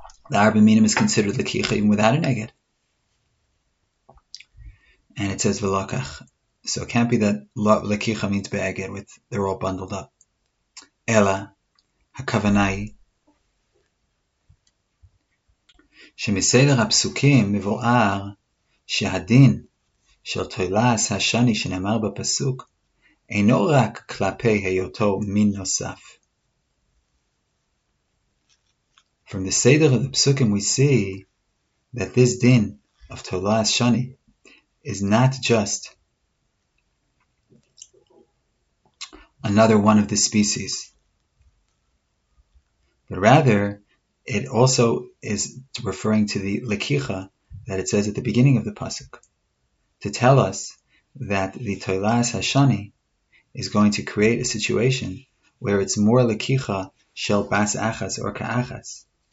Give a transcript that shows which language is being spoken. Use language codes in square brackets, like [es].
[en] The Arba Minim is considered lekicha even without an eged. And it says v'lokach. So it can't be that lekicha means be'eged with they're all bundled up. [he] Ela hakavanai shemiseder ha'psukim mivo'ar shehadin של תולס השני שנאמר בפסוק, אינו רק כלפי היותו מין נוסף. [en] From the Seder of the Psukim we see that this din of Tolas Shani is not just another one of the species, but rather it also is referring to the Lekicha that it says at the beginning of the Pasuk, to tell us that the Tolas Hashani is going to create a situation where it's more [he] Lekicha Shel Bas Achas [en] or Ka'achas.